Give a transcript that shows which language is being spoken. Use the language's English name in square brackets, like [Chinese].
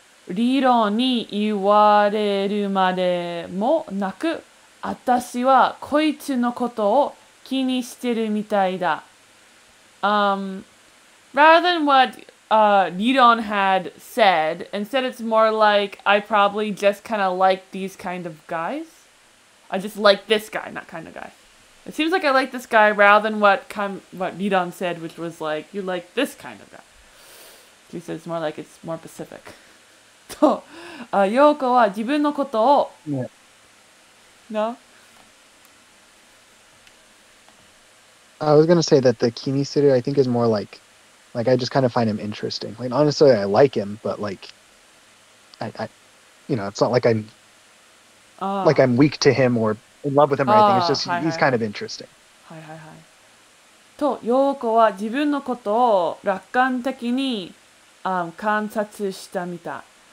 [Japanese] 理論に言われるまでもなく、私はこいつのことを気にしてるみたいだ。 [English] Rather than what Liron had said, instead it's more like, I probably just kind of like these kind of guys. I just like this guy, not kind of guy. It seems like I like this guy rather than what Liron said, which was like, you like this kind of guy. She said it's more like, it's more specific. [Japanese] と、ヨーコは自分のことを、 [English] yeah. No? I was going to say that the Kini Sitter, I think, is more like, I just kind of find him interesting. Like, honestly, I like him, but, like, I you know, it's not like I'm weak to him or in love with him or anything. It's just, he's kind of interesting. Hi, hi, hi. [Japanese] と、ヨーコは自分のことを楽観的に観察したみた。